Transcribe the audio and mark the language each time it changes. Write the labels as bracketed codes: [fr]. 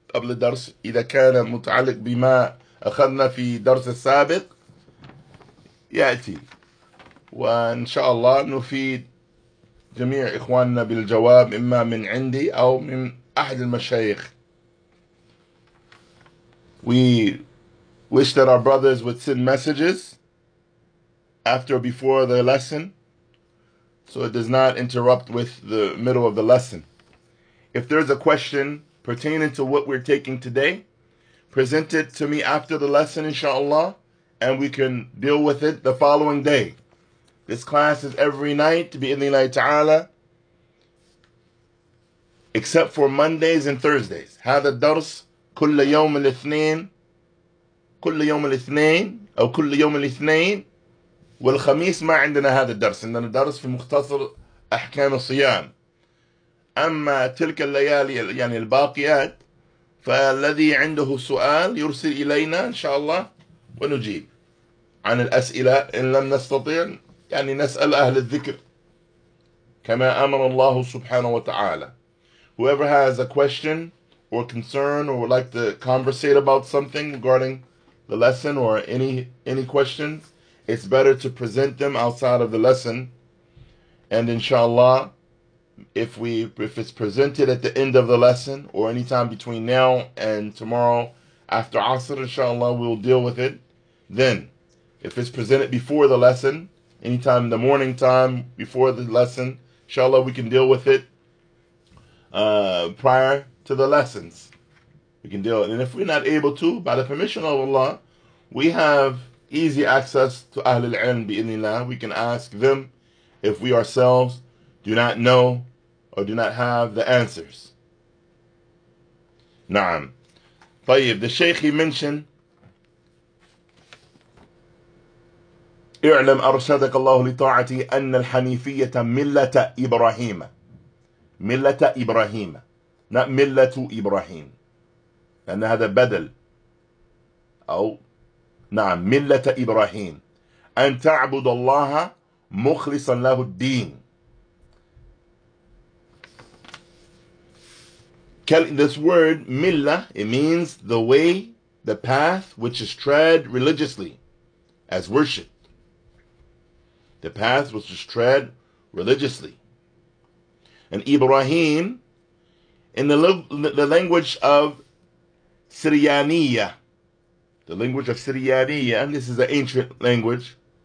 [ar] قبل الدرس إذا كان متعلق بما أخذنا في درس السابق يأتي وإن شاء الله نفيد جميع إخواننا بالجواب إما من عندي أو من أحد المشايخ. [en] We wish that our brothers would send messages after or before the lesson so it does not interrupt with the middle of the lesson. If there's a question pertaining to what we're taking today, present it to me after the lesson, inshallah, and we can deal with it the following day. This class is every night, [ar] bi'idhnillahi ta'ala, [en] except for Mondays and Thursdays. [ar] Hadha ad-dars kull yawm al-ithnin, kull yawm al-ithnin, aw kull yawm al-ithnin, wal-khamis ma indana hadha ad-dars, indana ad-dars fi mukhtasar ahkam as-siyam. أما تلك الليالي يعني الباقيات فالذي عنده سؤال يرسل إلينا إن شاء الله ونجيب عن الأسئلة إن لم نستطيع يعني نسأل أهل الذكر كما أمر الله سبحانه وتعالى. [en] Whoever has a question or concern or would like to conversate about something regarding the lesson or any questions, it's better to present them outside of the lesson and [ar] إن شاء الله [en] if it's presented at the end of the lesson or any time between now and tomorrow after Asr, inshallah, we'll deal with it. Then, if it's presented before the lesson, anytime in the morning time before the lesson, inshallah, we can deal with it prior to the lessons. We can deal with it. And if we're not able to, by the permission of Allah, we have easy access to Ahlul Ilm, bi'idhnillah. We can ask them if we ourselves do not know or do not have the answers. Naam. [ar] طيب, [en] the Shaykh he mentioned, [ar] اعلم أرشدك الله لطاعتي أن الحنيفية ملة إبراهيم. ملة إبراهيم. [en] Not [ar] ملة إبراهيم. لأن هذا بدل. أو نعم ملة إبراهيم. أن تعبد الله مخلصا له الدين. [en] This word, millah, it means the way, the path which is tread religiously as worship. The path which is tread religiously. And Ibrahim, in the language of Syriania, the language of Syriania, this is an ancient language.